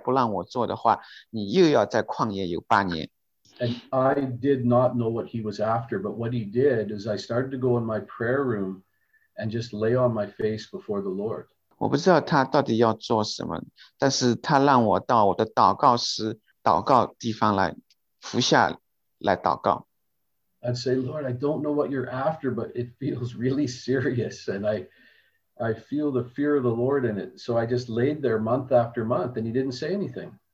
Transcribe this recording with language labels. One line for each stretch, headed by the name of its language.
Chinese: 神说你不明白，我实际上8年前就要做了，但是如果你这一次再不让我做的话，你又要在旷野有8年。
English: And I did not know what he was after, but what he did is I started to go in my prayer room and just lay on my face before the Lord.
Chinese: 我不知道他到底要做什么，但是他让我到我的祷告室祷告地方来伏下来祷告。
English: I'd say, Lord, I don't know what you're after, but it feels really serious, and I feel the fear of the Lord in it. So I just laid there month after month, and he didn't say anything.